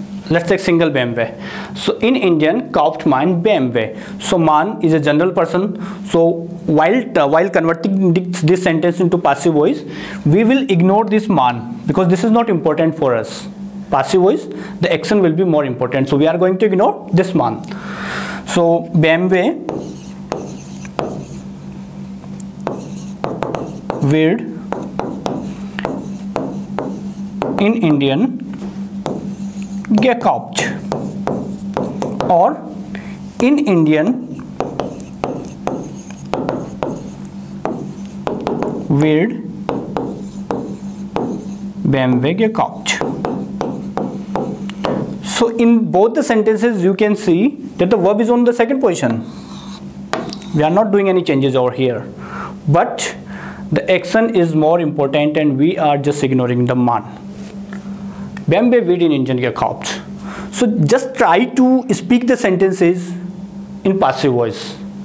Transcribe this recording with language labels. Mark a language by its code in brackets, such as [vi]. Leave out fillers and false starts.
[en] Let's take single BMW. So [de] in Indian kauft man BMW. [en] So man is a general person. So while converting this sentence into passive voice, we will ignore this man because this is not important for us. Passive voice, the action will be more important. So we are going to ignore this man. [de] So BMW wird in Indian gekauft, or in Indian wird BMW gekauft. [en] So in both the sentences you can see that the verb is on the second position. We are not doing any changes over here, but the action is more important and we are just ignoring the man. [de] BMW wird in Indian gekauft. [en] So just try to speak the sentences in passive voice.